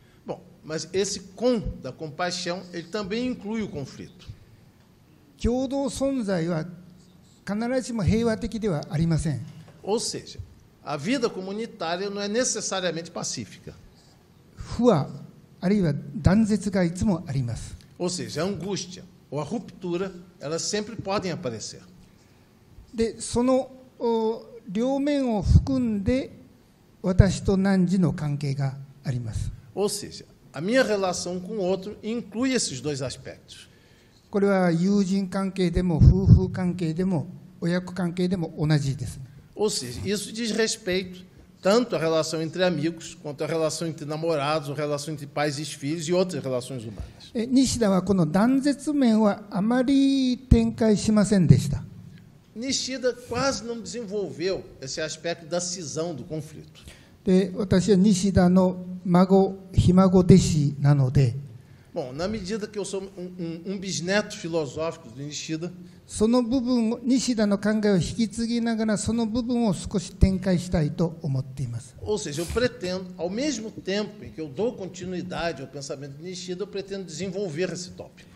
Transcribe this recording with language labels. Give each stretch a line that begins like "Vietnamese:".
Portuguese: Bom, mas esse com da compaixão, ele também inclui o conflito.
Japanese: 共同存在は必ずしも平和的ではありません。
Portuguese: Ou seja, a vida comunitária não é necessariamente pacífica.
Japanese: 不和、あるいは断絶がいつもあります。
Portuguese: Ou seja, a angústia ou a ruptura, elas sempre podem aparecer.
Japanese: で、その両面を含んで私と汝の関係があります。
Portuguese: Ou seja, A minha relação com o outro inclui esses dois aspectos. Ou seja, isso diz respeito tanto à relação entre amigos, quanto à relação entre namorados, ou relação entre pais e filhos e outras relações humanas. Nishida quase não desenvolveu esse aspecto da cisão do conflito. Bom, na medida que eu sou um bisneto filosófico de Nishida,
Japanese: その部分を、西田の考えを引き継ぎながら、その部分を少し展開したいと思っています。
Portuguese: Ou seja, eu pretendo, ao mesmo tempo em que eu dou continuidade ao pensamento de Nishida, eu pretendo desenvolver esse tópico.